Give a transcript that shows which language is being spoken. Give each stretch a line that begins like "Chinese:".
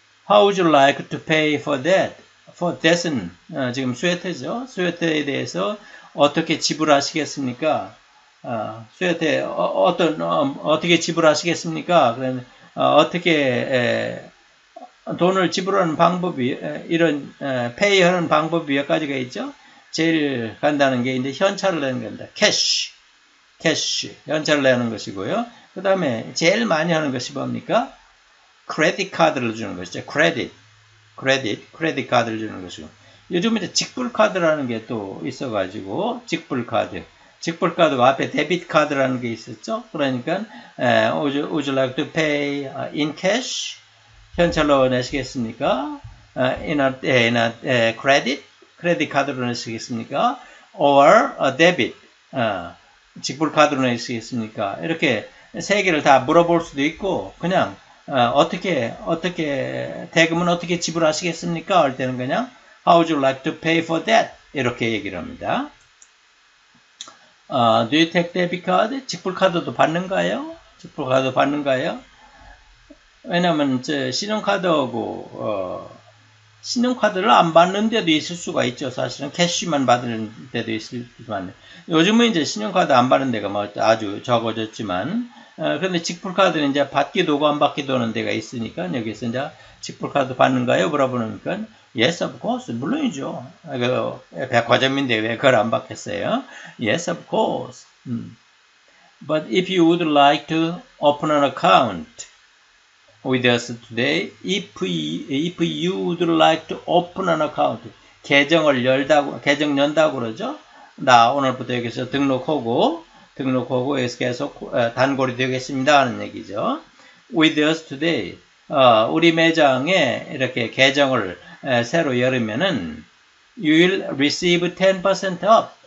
English: How would you like to pay for that? For this
Korean: 은 지금 스웨터죠. 스웨터에 대해서 어떻게 지불하시겠습니까? 스웨터에 어떻게 지불하시겠습니까? 그러면 어떻게 돈을 지불하는 방법이 이런 페이하는 방법이 몇 가지가 있죠. 제일 간단한 게 이제 현찰을 내는 겁니다. 캐시, 현찰을 내는 것이고요. 그다음에 제일 많이 하는 것이 뭡니까? 크레딧 카드를 주는 것이죠. 크레딧 카드를 주는 것이고, 요즘 이제 직불 카드라는 게또 있어가지고, 직불 카드가 앞에 데빗 카드라는 게 있었죠. 그러니까
English: would you like to pay in cash?
Korean: 현찰로 내시겠습니까?
English: In a credit
Korean: 카드로 내시겠습니까?
English: Or a debit
Korean: 직불 카드로 내시겠습니까? 이렇게 세 개를 다 물어볼 수도 있고, 그냥 어떻게 대금은 어떻게 지불하시겠습니까? 할 때는 그냥
English: How would you like to pay for that?
Korean: 이렇게 얘기를 합니다.
English: Do you take debit card?
Korean: 직불 카드도 받는가요? 직불 카드 받는가요? 왜냐면 저 신용카드하고 신용카드를 안 받는 데도 있을 수가 있죠. 사실은 캐시만 받는 데도 있지만 요즘은 이제 신용카드 안 받는 데가 뭐 아주 적어졌지만 그런데 직불카드는 이제 받기도 하고 안 받기도 하는 데가 있으니까 여기서 이제 직불카드 받는가요? 물어보니까
English: Yes, of course.
Korean: 물론이죠. 백화점인데 왜 그걸 안 받겠어요?
English: Yes, of course. But if you would like to open an account with us today, if you would like to open an account,
Korean: 계정 연다고 그러죠? 나 오늘부터 여기서 등록하고 계속 단골이 되겠습니다 하는 얘기죠.
English: With us today,
Korean: 우리 매장에 이렇게 계정을 새로 열으면은
English: you will receive 10% off.